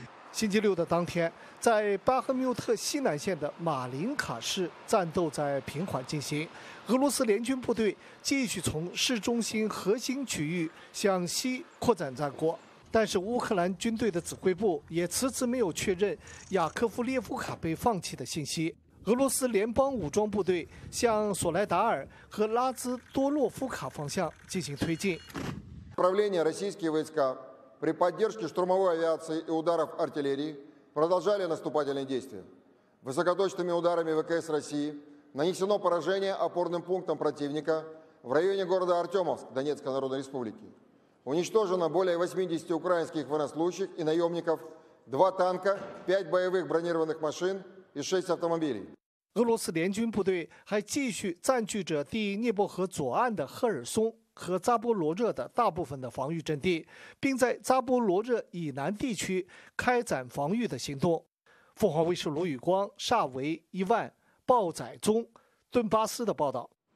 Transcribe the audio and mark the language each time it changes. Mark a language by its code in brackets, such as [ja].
[zh] 星期六的当天，在巴赫穆特西南线的马林卡市，战斗在平缓进行，俄罗斯联军部队继续从市中心核心区域向西扩展战果，但是乌克兰军队的指挥部也迟迟没有确认雅科夫列夫卡被放弃的信息。俄罗斯联邦武装部队向索莱达尔和拉兹多洛夫卡方向进行推进。 [ru] Управление российские войска при поддержке штурмовой авиации и ударов артиллерии продолжали наступательные действия. Высокоточными ударами ВКС России нанесено поражение опорным пунктам противника в районе города Артемовск Донецкой Народной Республики. Уничтожено более 80 украинских военнослужащих и наемников, 2 танка, 5 боевых бронированных машин и 6 автомобилей. [zh] 俄罗斯联军部队还继续占据着第涅伯河左岸的赫尔松和扎波罗热的大部分的防御阵地，并在扎波罗热以南地区开展防御的行动。凤凰卫视卢宇光、萨维、伊万、鲍载中、顿巴斯的报道。